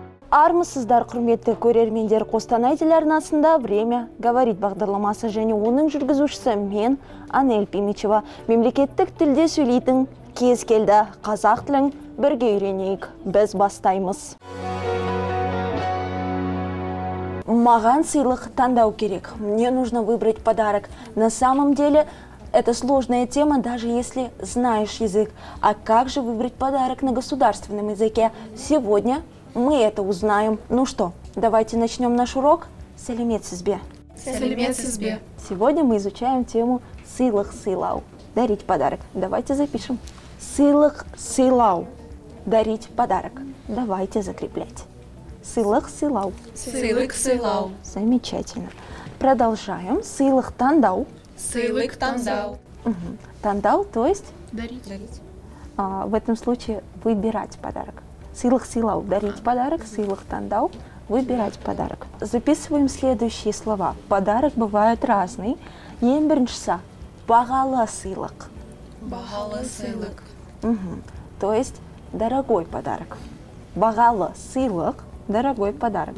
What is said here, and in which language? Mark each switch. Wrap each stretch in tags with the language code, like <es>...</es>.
<kk>Армысыздар, құрметті көрермендер, Қостанайдел арнасында «Время говорит» бағдарламасы және оның жүргізушісі мен, Анель Пимичева, мемлекеттік тілде сөйлейтін кез келді. Қазақ тілін бірге үйренейік, біз бастаймыз. Маған сыйлық таңдау керек.</kk> <ru>Мне нужно выбрать подарок. На самом деле, это сложная тема, даже если знаешь язык. А как же выбрать подарок на государственном языке? Сегодня мы это узнаем. Ну что, давайте начнем наш урок.</ru> <kk>Сәлеметсізбе. Сәлеметсізбе.</kk> <ru>Сегодня мы изучаем тему</ru> <kk>сыйлық-сыйлау.</kk> <ru>Дарить подарок. Давайте запишем.</ru> <kk>Сыйлық-сыйлау.</kk> <ru>Дарить подарок. Давайте закреплять. Сыйлық-сыйлау.</ru> <kk>Сыйлық-сыйлау.</kk> <ru>Замечательно. Продолжаем.</ru> <kk>Сыйлық-тандау. Сыйлық-тандау.</kk> <ru>Угу. Тандау, то есть? Дарить. Дарить. В этом случае выбирать подарок.</ru> <kk>Сыйлық-сыйлау</kk> <ru>– дарить подарок,</ru> <kk>сыйлық-тандау</kk> <ru>– выбирать подарок. Записываем следующие слова. Подарок бывает разный.</ru> <kk>Ең біріншісі – бағалы сыйлық. Бағалы сыйлық. Угу.</kk> <ru>То есть дорогой подарок.</ru> <kk>Бағалы сыйлық –</kk> <ru>дорогой подарок.</ru>